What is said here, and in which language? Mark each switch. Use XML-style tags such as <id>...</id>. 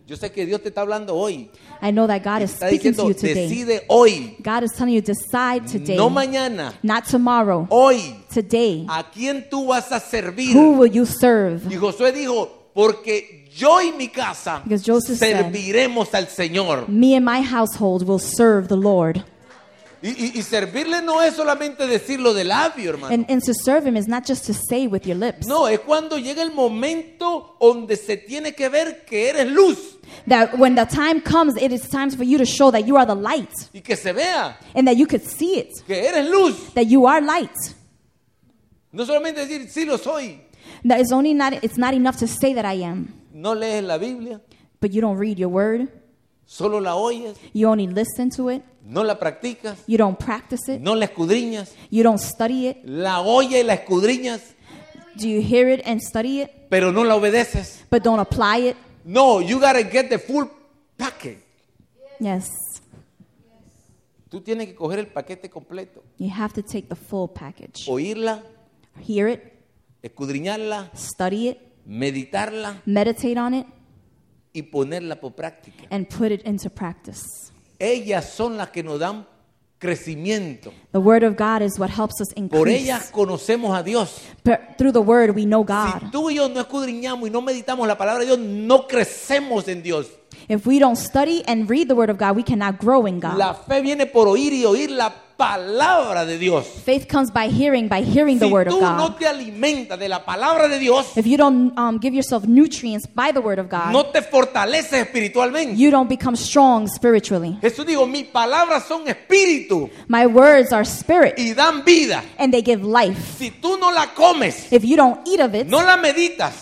<es>Yo sé que Dios te está hablando hoy.</es> <en>I know that God is</en> <es>está</es> <en>speaking</en> <es>diciendo,</es> <en>to you today.</en> <es>Decide hoy.</es> <en>God is telling you, decide today.</en> <es>No mañana.</es> <en>Not tomorrow.</en> <es>Hoy.</es> <en>Today.</en> <es>¿A quién tú vas a servir?</es> <en>Who will you serve?</en> <es>Y Josué dijo, porque yo y mi casa serviremos</es> <en>said,</en> <es>al Señor.</es> <en>Me and my household will serve the Lord.</en> <es>Y servirle no es solamente decirlo de labio, hermano.</es> <en>And to serve him is not just to say with your lips.</en> <es>No, es cuando llega el momento donde se tiene que ver que eres luz.</es> <en>That when the time comes, it is time for you to show that you are the light.</en> <es>Y que se vea.</es> <en>And that you could see it.</en> <es>Que eres luz.</es> <en>That you are light.</en> <es>No solamente decir sí lo soy.</es> <en>That is only not. It's not enough to say that I am.</en> <es>No lees la Biblia.</es> <en>But you don't read your word.</en> <es>Solo la oyes.</es> <en>You only listen to it.</en> <es>No la practicas.</es> <en>You don't practice it.</en> <es>No la escudriñas.</es> <en>You don't study it.</en> <es>La oyes y la escudriñas.</es> <en>Do you hear it and study it?</en> <es>Pero no la obedeces.</es> <en>But don't apply it. No, you gotta get the full package. Yes.</en> <es>Tú tienes que coger el paquete completo.</es> <en>You have to take the full package.</en> <es>Oírla.</es> <en>Hear it.</en> <es>Escudriñarla.</es> <en>Study it.</en> <es>Meditarla.</es> <en>Meditate on it.</en> <es>Y ponerla por práctica.</es> <en>And put it into practice.</en> <es>Ellas son las que nos dan crecimiento.</es> <en>The word of God is what helps us increase.</en> <es>Por ellas conocemos a Dios.</es> <en>But through the word we know God.</en> <es>Si tú y yo no escudriñamos y no meditamos la palabra de Dios, no crecemos en Dios.</es> <en>If we don't study and read the word of God, we cannot grow in God.</en> <es>La fe viene por oír y oír la palabra de Dios.</es> <en>Faith comes by hearing</en> <es>si</es> <en>the word of God.</en> <es>Si tú no te alimentas de la palabra de Dios,</es> <en>if you don't give yourself nutrients by the word of God,</en> <es>no te fortaleces espiritualmente.</es> <en>You don't become strong spiritually.</en> <es>Jesús dijo, mis palabras son espíritu.</es> <en>My words are spirit.</en> <es>Y dan vida.</es> <en>And they give life.</en> <es>Si tú no la comes,</es> <en>if you don't eat of it,</en> <es>no la meditas,</es>